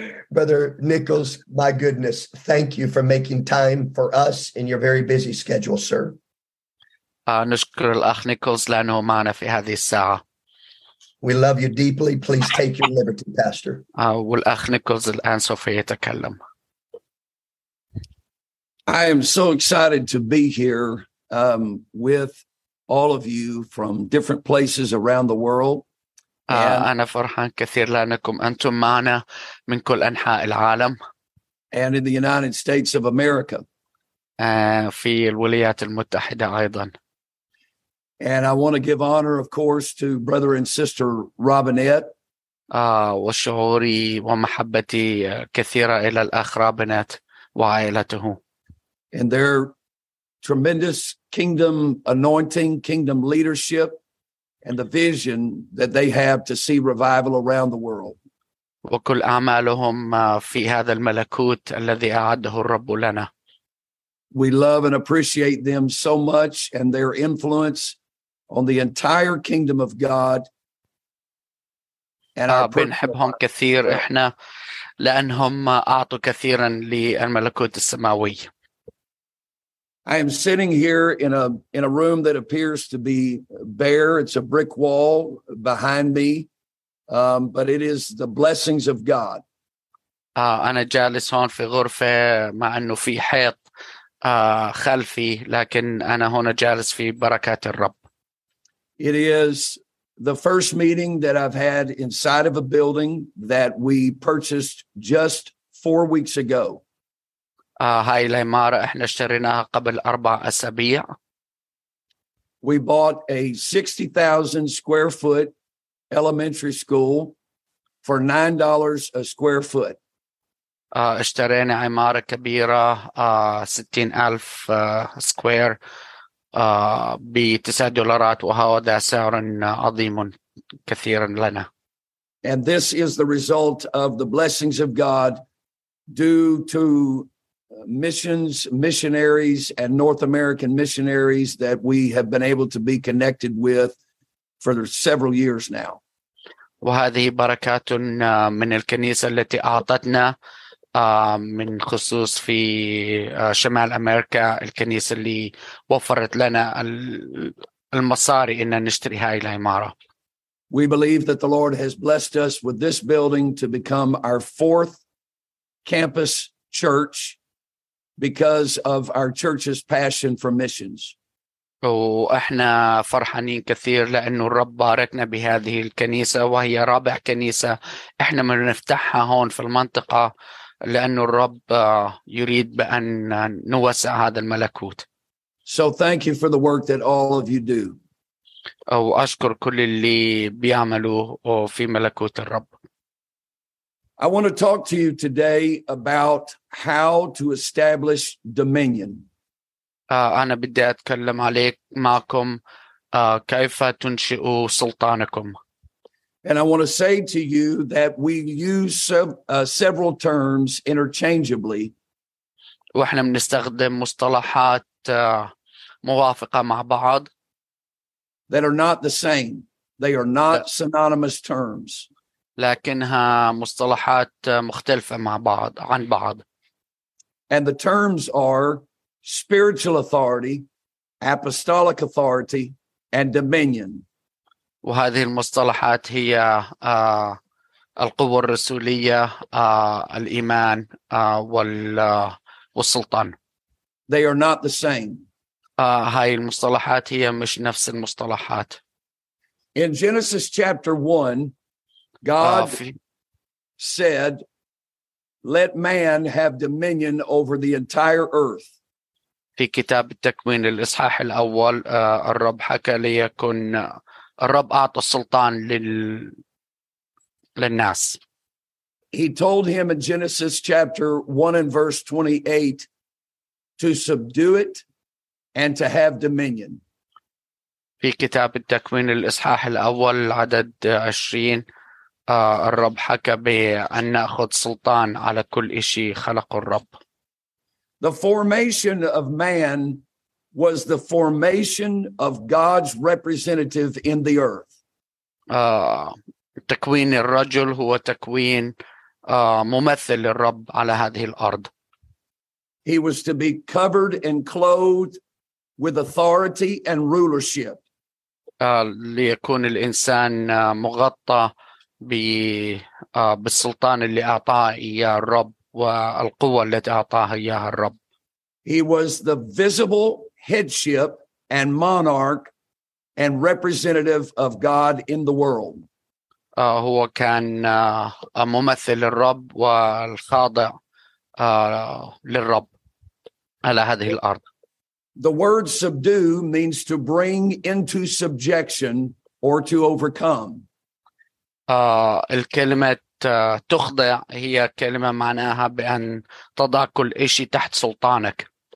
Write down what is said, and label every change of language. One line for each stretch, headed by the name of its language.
English: Brother Nichols, my goodness, thank you for making time for us in your very busy schedule, sir.
Arabic: نشكر الأخ نيكولز لأنه معنا في هذه الساعة.
English: We love you deeply. Please take your liberty, Pastor.
Arabic: والأخ نيكولز الآن سوف يتكلم.
English: I am so excited to be here with all of you from different places around the world.
Arabic: أنا فرحان كثير لأنكم أنتم معنا من كل أنحاء العالم.
English: And in the United States of America.
Arabic: في الولايات المتحدة أيضا.
English: And I want to give honor, of course, to brother and sister Robinette.
Arabic: وشعوري ومحبتي كثيرة إلى الأخ روبينيت وعائلته.
English: And their tremendous kingdom anointing, kingdom leadership, and the vision that they have to see revival around the world.
Arabic: وكل أعمالهم في هذا الملكوت الذي أعده الرب لنا.
English: We love and appreciate them so much and their influence on the entire kingdom of God. And
Arabic: بنحبهم كثير إحنا لأنهم أعطوا كثيرا للملكوت السماوي.
English: I am sitting here in a room that appears to be bare. It's a brick wall behind me, but it is the blessings of God.
Arabic: أنا جالس هون في غرفة مع أنه في حيط خلفي لكن أنا هنا جالس في بركات الرب.
English: It is the first meeting that I've had inside of a building that we purchased just 4 weeks ago.
Arabic: هاي العمارة احنا اشتريناها قبل 4 أسابيع.
English: We bought a 60,000 square foot elementary school for $9 a square foot.
Arabic: اشترينا عمارة كبيرة 60,000
English: square
Arabic: $9 وهذا سعر عظيم كثيرا لنا.
English: And this is the result of the blessings of God due to missions, missionaries, and North American missionaries that we have been able to be connected with for several years now.
Arabic: وهذه بركات من الكنيسة التي أعطتنا من خصوص في شمال أمريكا الكنيسة اللي وفرت لنا المصاري إن نشتري هاي العمارة.
English: We believe that the Lord has blessed us with this building to become our fourth campus church because of our church's passion for missions.
Arabic: وإحنا فرحانين كثير لأنه الرب باركنا بهذه الكنيسة وهي رابع كنيسة إحنا من نفتحها هون في المنطقة لأنه الرب يريد بأن نوسع هذا الملكوت.
English: So thank you for the work that all of you do.
Arabic: وأشكر كل اللي بيعملوا في ملكوت الرب.
English: I want to talk to you today about how to establish dominion.
Arabic: أنا بدي أتكلم عليك معكم كيف تنشئوا سلطانكم.
English: And I want to say to you that we use several terms interchangeably.
Arabic: واحنا بنستخدم مصطلحات موافقة مع بعض.
English: That are not the same. They are not synonymous terms.
Arabic: لكنها مصطلحات مختلفة مع بعض عن بعض.
English: And the terms are spiritual authority, apostolic authority, and dominion.
Arabic: وهذه المصطلحات هي القوة الرسولية الإيمان والسلطان.
English: They are not the same.
Arabic: هاي المصطلحات هي مش نفس المصطلحات.
English: In Genesis chapter 1, God said, "Let man have dominion over the entire earth."
Arabic: في كتاب التكوين الإصحاح الأول الرب حكى ليكن الرب أعطى السلطان للناس.
English: He told him in Genesis chapter 1 and verse 28 to subdue it and to have dominion.
Arabic: في كتاب التكوين الإصحاح الأول عدد 20 الرب حكى بأن نأخذ سلطان على كل إشي خلقه الرب.
English: The formation of man was the formation of God's representative in the earth.
Arabic: تكوين الرجل هو تكوين ممثل للرب على هذه الأرض.
English: He was to be covered and clothed with authority and rulership.
Arabic: ليكون الإنسان مغطى بالسلطان اللي أعطاه إياه الرب والقوة التي أعطاه إياها الرب.
English: He was the visible headship and monarch and representative of God in the world.
Arabic: هو كان ممثل للرب والخاضع للرب على هذه الأرض.
English: The word subdue means to bring into subjection or to overcome.
Arabic: الكلمة تخضع هي كلمة معناها بأن تضع كل إشي تحت سلطانك.